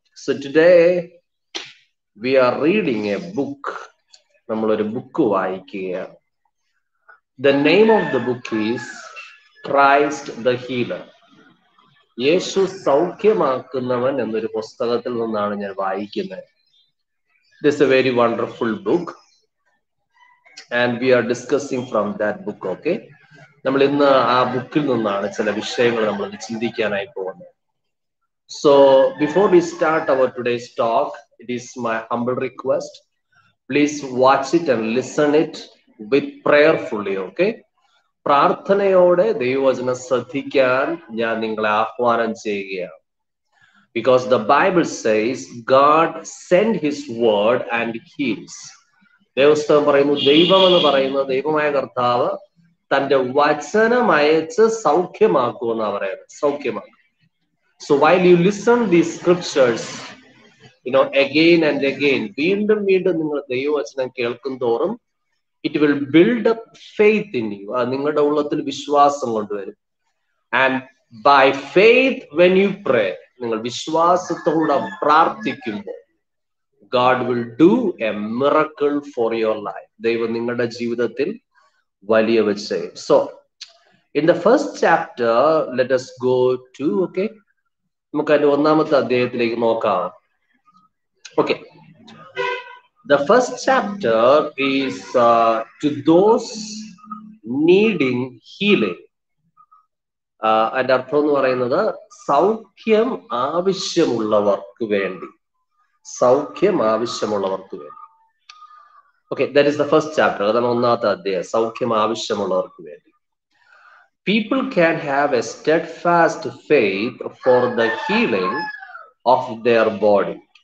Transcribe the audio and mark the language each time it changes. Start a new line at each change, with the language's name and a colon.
English: So today we are reading a book.
Malayalam: നമ്മളൊരു book വായിക്കുകയാണ്.
English: The name of the book is Christ the healer.
Malayalam: യേശു സൗഖ്യമാക്കുന്നവൻ എന്നൊരു പുസ്തകത്തിൽ നിന്നാണ് ഞാൻ വായിക്കുന്നത്.
English: This a very wonderful book. And we are discussing from that book, okay?
Malayalam: നമ്മൾ ഇന്ന് ആ ബുക്കിൽ നിന്നാണ് ചില വിഷയങ്ങൾ നമ്മൾ ചിന്തിക്കാനായി പോകുന്നത്.
English: So before we start our today's talk, it is my humble request, please watch it and listen it with prayerfully, okay?
Malayalam: പ്രാർത്ഥനയോടെ ദൈവവചനം ശ്രദ്ധിക്കാൻ ഞാൻ നിങ്ങളെ ആഹ്വാനം ചെയ്യുകയാണ്.
English: Because the Bible says God sent his word and heals.
Malayalam: ദൈവസ്ഥാനം പറയുന്നു, ദൈവം എന്ന് പറയുന്നത് ദൈവമായ കർത്താവ് തന്റെ വചനം അയച്ച് സൗഖ്യമാക്കുമെന്ന് പറയുന്നത് സൗഖ്യമാക്കും.
English: so while you listen the scriptures you know again and again,
Malayalam: വീണ്ടും വീണ്ടും നിങ്ങൾ ദൈവവചനം കേൾക്കും തോറും
English: It will build up faith in you.
Malayalam: അത് നിങ്ങളുടെ ഉള്ളത്തിൽ വിശ്വാസം കൊണ്ടുവരും.
English: and by faith when you pray,
Malayalam: നിങ്ങൾ വിശ്വാസത്തോടെ പ്രാർത്ഥിക്കുമ്പോൾ
English: God will do a miracle for your life.
Malayalam: ദൈവം നിങ്ങളുടെ ജീവിതത്തിൽ വലിയ വിജയം.
English: So, in the first chapter, let us go to, okay?
Malayalam: നമുക്ക് അതിന്റെ ഒന്നാമത്തെ അധ്യായത്തിലേക്ക് നോക്കാം.
English: Okay. The first chapter is to those needing healing.
Malayalam: അതിന്റെ അർത്ഥം എന്ന് പറയുന്നത് സൗഖ്യം ആവശ്യമുള്ളവർക്ക് വേണ്ടി. സൗഖ്യം ആവശ്യമുള്ളവർക്ക് വേണ്ടി.
English: Okay, that is the first chapter.
Malayalam: അതാണ് ഒന്നാമത്തെ അധ്യായം, സൗഖ്യം ആവശ്യമുള്ളവർക്ക് വേണ്ടി.
English: People can have a steadfast faith for the healing of their body.